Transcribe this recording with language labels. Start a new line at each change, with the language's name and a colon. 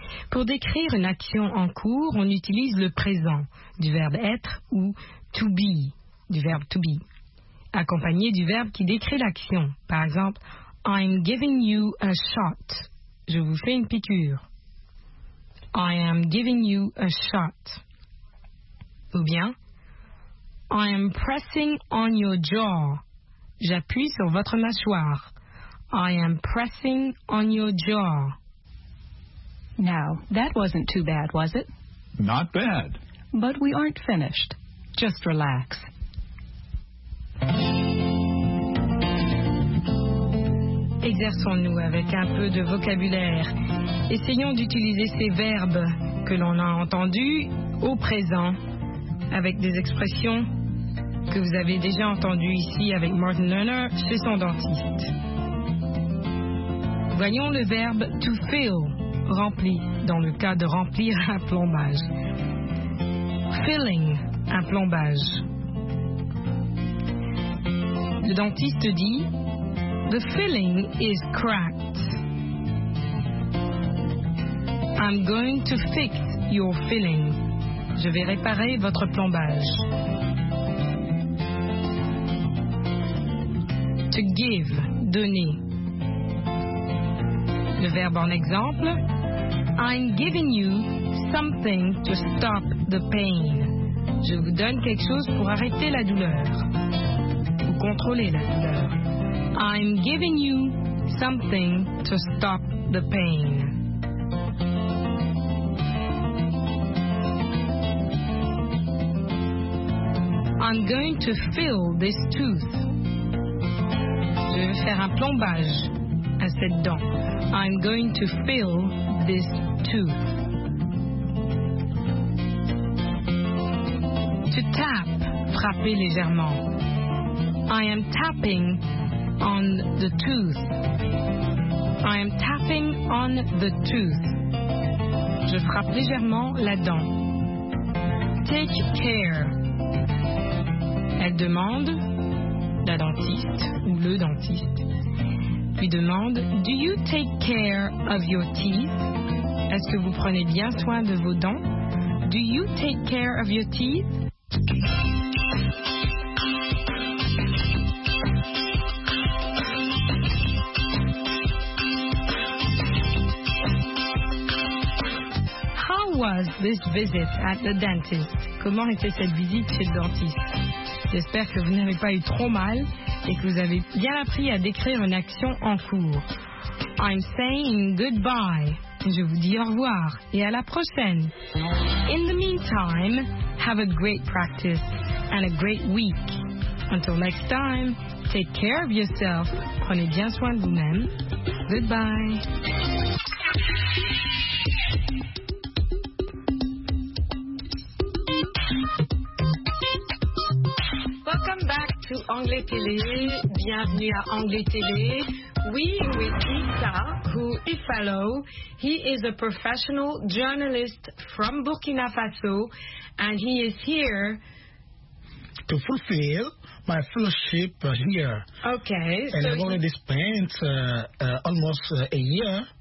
French: Pour décrire une action en cours, on utilise le présent du verbe être ou to be, du verbe to be, accompagné du verbe qui décrit l'action. Par exemple,
English: I'm giving you a shot.
French: Je vous fais une piqûre.
English: I am giving you a shot. Ou bien, I am pressing on your jaw.
French: J'appuie sur votre mâchoire.
English: I am pressing on your jaw. Now, that wasn't too bad, was it? Not bad. But we aren't finished. Just relax.
French: Exerçons-nous avec un peu de vocabulaire. Essayons d'utiliser ces verbes que l'on a entendus au présent avec des expressions que vous avez déjà entendues ici avec Martin Lerner chez son dentiste. Voyons le verbe to fill. Rempli, dans le cas de remplir un plombage. Filling, un plombage. Le dentiste dit,
English: The filling is cracked. I'm going to fix your filling.
French: Je vais réparer votre plombage.
English: To give, donner.
French: Le verbe en exemple,
English: I'm giving you something to stop the pain.
French: Je vous donne quelque chose pour arrêter la douleur. Ou contrôler la douleur.
English: I'm giving you something to stop the pain. I'm going to fill this tooth.
French: Je vais faire un plombage à cette dent.
English: I'm going to fill this tooth. To tap,
French: frapper légèrement.
English: I am tapping on the tooth. I am tapping on the tooth.
French: Je frappe légèrement la dent.
English: Take care.
French: Elle demande, la dentiste ou le dentiste, lui demande,
English: Do you take care of your teeth?
French: Est-ce que vous prenez bien soin de vos dents?
English: Do you take care of your teeth? How was this visit at the dentist?
French: Comment était cette visite chez le dentiste? J'espère que vous n'avez pas eu trop mal et que vous avez bien appris à décrire une action en cours.
English: I'm saying goodbye.
French: Je vous dis au revoir et à la prochaine.
English: In the meantime, have a great practice and a great week. Until next time, take care of yourself.
French: Prenez bien soin de vous-même.
English: Goodbye. Welcome back to Anglais Télé.
French: Bienvenue à Anglais Télé.
English: We with Issa, who is fellow, he is a professional journalist from Burkina Faso, and he is here to fulfill my fellowship here. Okay. And so I've already spent almost a year.